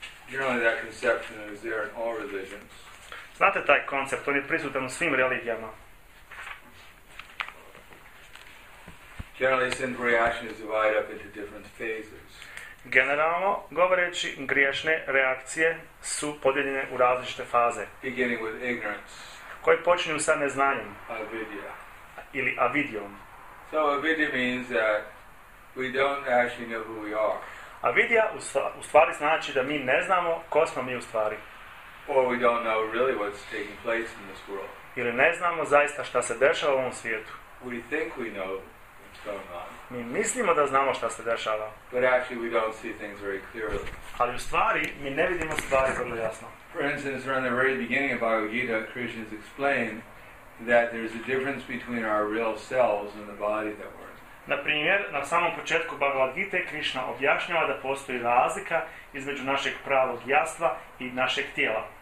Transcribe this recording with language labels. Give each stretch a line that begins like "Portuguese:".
English: Generally that conception is there in all religions.
Bosnian: Znate taj koncept, on je prisutan u svim religijama.
English: Generally sinful reaction is divided up into different phases.
Bosnian: Generalno, govoreći, griješne reakcije su podijeljene u različite faze.
English: Beginning with ignorance.
Bosnian: Koje počinju sa neznanjem.
Sanskrit: Avidya.
Bosnian: Ili avidijom.
English: So avidya means that we don't actually know who we are.
Bosnian: Avidya u stvari znači da mi ne znamo ko smo mi u stvari.
English: Or we don't know really what's taking place in this world.
Bosnian: Ili ne znamo zaista šta se dešava u ovom svijetu.
English: We think we know.
Bosnian: Mi mislimo da znamo šta se dešava.
English: But actually we don't see things very clearly.
Bosnian: Ali u stvari mi ne vidimo stvari vrlo jasno.
English: For instance, around the very beginning of Bhagavad Gita, Krishna has explained that there's a difference between our real selves and the body that we're in.
Bosnian: Na primjer, na samom početku Bhagavad Gita Krishna objašnjava da postoji razlika između našeg pravog jastva i našeg tijela.